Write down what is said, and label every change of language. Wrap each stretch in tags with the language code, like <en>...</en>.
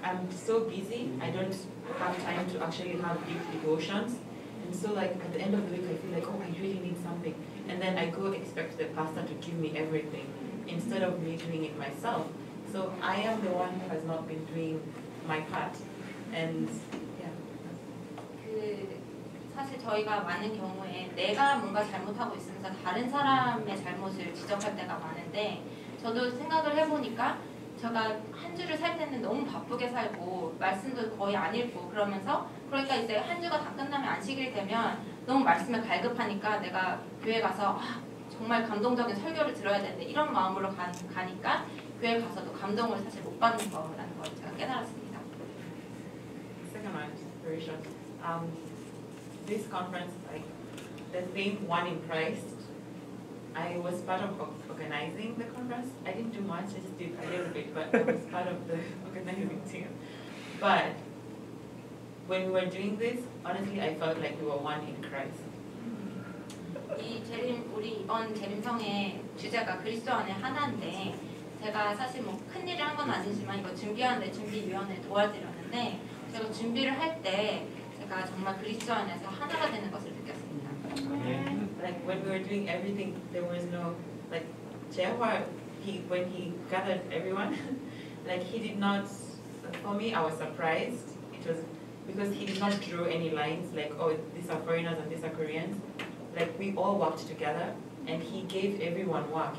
<en>I'm so busy. I don't have time to actually have deep devotions. And so like at the end of the week, I feel like oh, I really need something. And then I go expect the pastor to give me everything. Instead of me doing it myself, so I am the one who has not been doing my part, and yeah.</en> <ko>그 사실 저희가 많은 경우에 내가 뭔가 잘못하고 있으면서 다른 사람의 잘못을 지적할 때가 많은데 저도 생각을 해보니까 제가 한 주를 살 때는 너무 바쁘게 살고 말씀도 거의 안 읽고 그러면서 그러니까 이제 한 주가 다 끝나면 안식일 되면 너무 말씀에 갈급하니까 내가 교회 가서. 정말 감동적인 설교를 들어야 되는데 이런 마음으로 가니까 교회 가서도 감동을 사실 못 받는 거라는 걸 제가 깨달았습니다.</ko> <en>Second one, very short. This conference, like the theme One in Christ, I was part of organizing the conference. I didn't do much, I just did a little bit, but I was part of the organizing team. But when we were doing this, honestly, I felt like we were one in Christ.</en> <ko>이 재림 우리 이번 재림성의 주제가 그리스도 안에 하나인데 제가 사실 뭐 큰 일을 한 건 아니지만 이거 준비하는데 준비위원회 도와드렸는데 제가 준비를 할 때 제가 정말 그리스도 안에서 하나가 되는 것을 느꼈습니다.</ko> <en>Like when we were doing everything, there was no like Jehua. When he gathered everyone, like he did not. For me, I was surprised. It was because he did not draw any lines. Like oh, these are foreigners and these are Koreans. Like we all worked together, and he gave everyone work.</en>